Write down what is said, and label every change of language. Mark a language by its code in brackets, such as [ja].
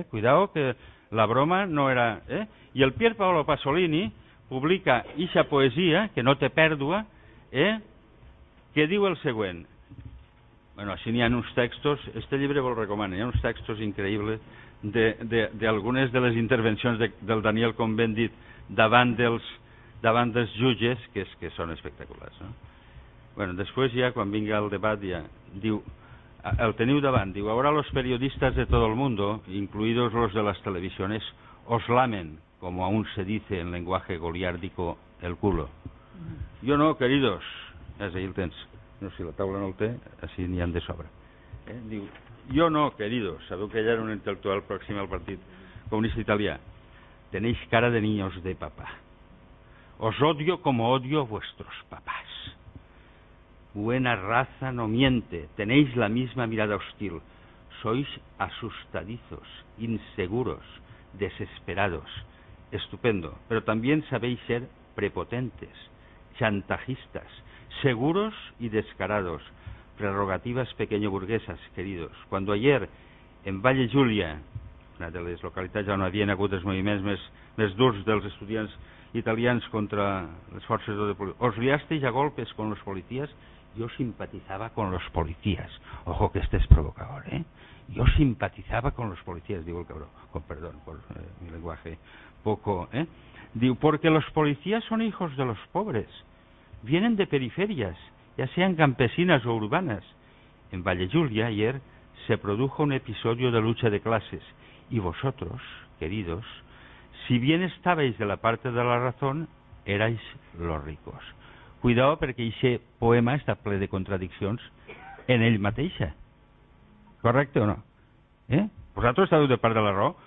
[ca] Cuidao, que la broma no era... I el Pier Paolo Pasolini publica ixa poesia, que no té pèrdua, que diu el següent. Bueno, així n'hi ha uns textos, este llibre vos el recomano, hi ha uns textos increïbles d'algunes de les intervencions del Daniel Convendit davant dels jutges, que són espectaculars, no? Bueno, després ja, quan vinga el debat, ja, diu, el teniu davant, diu, [es] ahora los periodistas de todo el mundo, incluidos los de las televisiones, os lamen, como aún se dice en lenguaje goliárdico, el culo. [ca] Jo no, queridos, és ahí el tens, no sé si la taula no el té, així n'hi han de sobre. Diu, jo no, queridos, sabeu que ell era un intel·lectual pròxim al Partit Comunista Italià, [es] tenéis cara de niños de papá. Os odio como odio a vuestros papás. Buena raza no miente, tenéis la misma mirada hostil. Sois asustadizos, inseguros, desesperados, estupendo. Pero también sabéis ser prepotentes, chantajistas, seguros y descarados. Prerrogativas pequeño-burguesas, queridos. Cuando ayer, en Valle Julia, una de las localidades [ca] ya no habían hagut els moviments més durs dels estudiants italians contra les forces de policia. [es] Os liasteis a golpes con los policías. Yo simpatizaba con los policías. Ojo que este es provocador, ¿eh? Yo simpatizaba con los policías, digo el cabrón, con perdón por mi lenguaje poco, ¿eh? Digo, porque los policías son hijos de los pobres. Vienen de periferias, ya sean campesinas o urbanas. En Vallejulia, ayer, se produjo un episodio de lucha de clases. Y vosotros, queridos, si bien estabais de la parte de la razón, erais los ricos. [ca] Cuidado, perquè aquest poema està ple de contradiccions en ell mateixa. Correcte o no? Eh? Vosaltres estàveu de part de la raó?